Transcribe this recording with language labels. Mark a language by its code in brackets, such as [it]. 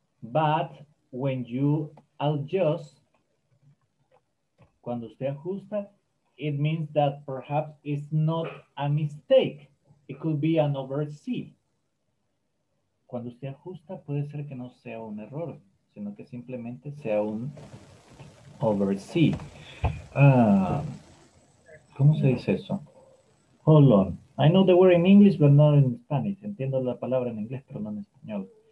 [en] But when you adjust, [es] cuando usted ajusta, [en] it means that perhaps it's not a mistake. It could be an oversight. [es] Cuando usted ajusta, puede ser que no sea un error, sino que simplemente sea un oversee. ¿Cómo se dice eso? [en] Hold on. I know the word in English, but not in Spanish. [es] Entiendo la palabra en inglés, pero no en español.